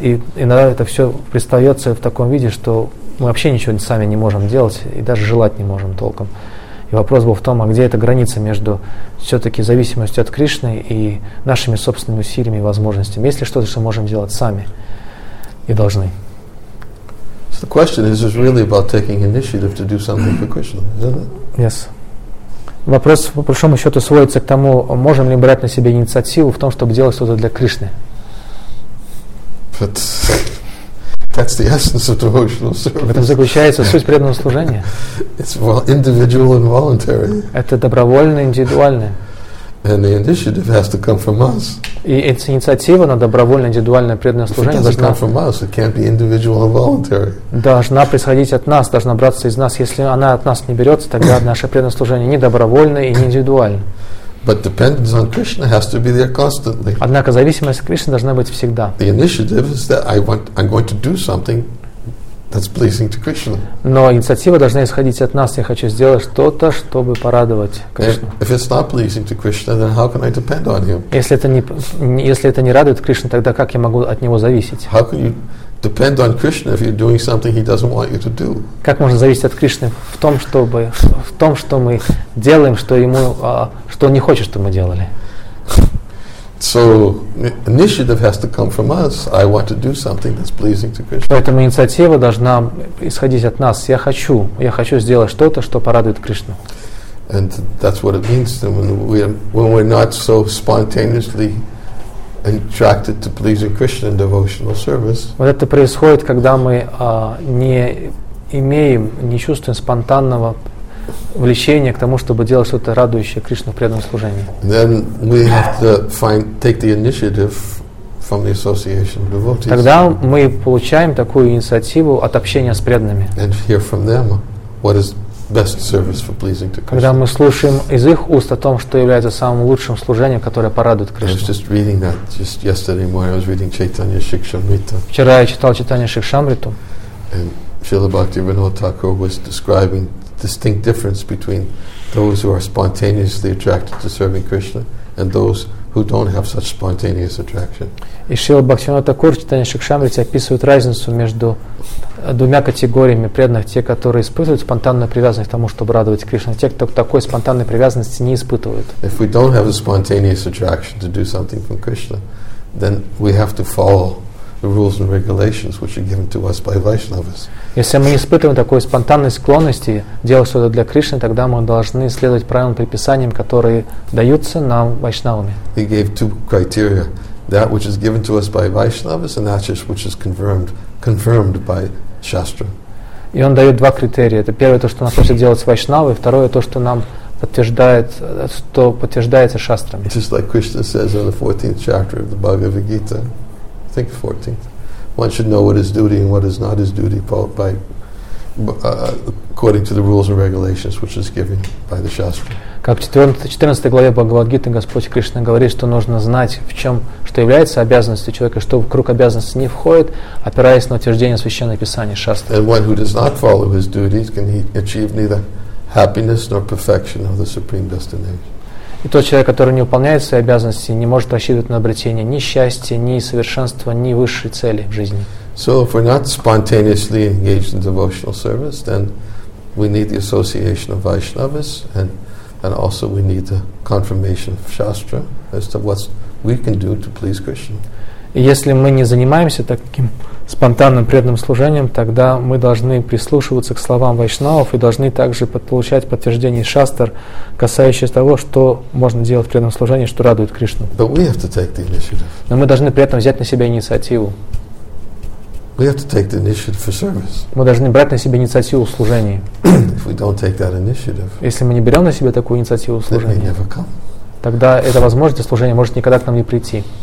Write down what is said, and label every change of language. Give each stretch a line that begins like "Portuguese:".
Russian: И иногда это все представляется в таком виде, что мы вообще ничего сами не можем делать и даже желать не можем толком. И вопрос был в том, а где эта граница между все-таки зависимостью от Кришны и нашими собственными усилиями и возможностями? Есть ли что-то, что мы можем делать сами и должны?
English: So the question is really about taking initiative to do something for Krishna, isn't it? Yes.
Russian: Вопрос, по большому счету, сводится к тому, можем ли брать на себя инициативу в том, чтобы делать что-то для Кришны.
English: But that's the essence of devotional service.
Russian: В этом заключается суть преданного служения.
English: It's individual and voluntary.
Russian: Это добровольно, индивидуально.
English: And the initiative has to come from us.
Russian: И эта инициатива на добровольно, индивидуальное преданное служение должна.
English: If it doesn't come from us, it can't be individual or voluntary.
Russian: Должна происходить от нас, должна браться из нас. Если она от нас не берется, тогда наше преданное служение не добровольно и не индивидуально.
English: But dependence on Krishna has to be there constantly.
Russian: Однако зависимость от Кришны должна быть всегда.
English: The initiative is that I'm going to do something that's pleasing to Krishna.
Russian: Но инициатива должна исходить от нас. Я хочу сделать что-то, чтобы порадовать Кришну.
English: If it's not pleasing to Krishna, then how can I depend on Him?
Russian: Если это не радует Кришну, тогда как я могу от Него зависеть?
English: How can you depend on Krishna if you're doing something He doesn't want you to do?
Russian: Как можно зависеть от Кришны в том, что мы делаем, что Ему что он не хочет, чтобы мы делали?
English: So initiative has to come from us. I want to do something that's pleasing to Krishna.
Russian: Поэтому инициатива должна исходить от нас. Я хочу сделать что-то, что порадует Кришну.
English: And that's what it means that when we're not so spontaneously attracted to pleasing Krishna in devotional service.
Russian: Вот это происходит, когда мы не чувствуем спонтанного влечение к тому, чтобы делать что-то радующее Кришну в преданном служении.
English: Then we have to take the initiative from the association of devotees.
Russian: Тогда мы получаем такую инициативу от общения с преданными.
English: And hear from them what is best service for pleasing to Krishna.
Russian: Когда мы слушаем из их уст о том, что является самым лучшим служением, которое порадует Кришну.
English: I was just reading that just yesterday morning. I was reading Chaitanya Shikshamrita.
Russian: Вчера я читал Чайтанья Шикшамриту.
English: And Srila Bhakti Vinod Thakur was describing distinct difference between those who are spontaneously attracted to serving Krishna and those who don't have such spontaneous attraction.
Russian: И Шрила Бхактивинода Такур в Чайтанья Шикшамрите описывает разницу между двумя категориями преданных: те, которые испытывают спонтанную привязанность к тому, чтобы радовать Кришну, те, кто такой спонтанной привязанности не испытывает.
English: If we don't have a spontaneous attraction to do something from Krishna, then we have to follow the rules and regulations which are given to us by Vaishnavas.
Russian: Если мы не испытываем такой спонтанной склонности делать что-то для Кришны, тогда мы должны следовать правилам приписаниям, которые даются нам вайшнавами.
English: He gave two criteria: that which is given to us by Vaishnavas and that which is confirmed by Shastra.
Russian: И он дает два критерия. Это первое, то, что нас учат делать с вайшнавы, и второе, то, что нам подтверждается Шастрами.
English: Just like Krishna says in the 14th chapter of the Bhagavad Gita. I think 14th. One should know what is duty and what is not his duty according to the rules and regulations which is given by the Shastra.
Russian: Как в 14 главе Бхагавад-гиты Господь Кришна говорит, что нужно знать, в чем, что является обязанностью человека, что в круг обязанностей не входит, опираясь на утверждение Священного Писания Шастры.
English: And one who does not follow his duties can he achieve neither happiness nor perfection of the Supreme Destination.
Russian: И тот человек, который не выполняет свои обязанности, не может рассчитывать на обретение ни счастья, ни совершенства, ни высшей цели в жизни.
English: So if we're not spontaneously engaged in devotional service, then we need the association of Vaishnavas, and also we need the confirmation of Shastra as to what we can do to please Krishna.
Russian: И если мы не занимаемся таким спонтанным преданным служением, тогда мы должны прислушиваться к словам вайшнавов и должны также получать подтверждение шастр, касающееся того, что можно делать в преданном служении, что радует Кришну.
English: But we have to take the initiative.
Russian: Но мы должны при этом взять на себя инициативу.
English: We have to take the initiative for service.
Russian: Мы должны брать на себя инициативу в служении.
English: If we don't take that initiative,
Russian: если мы не берем на себя такую инициативу в служении,
English: they may never come.
Russian: Тогда эта возможность служения может никогда к нам не прийти.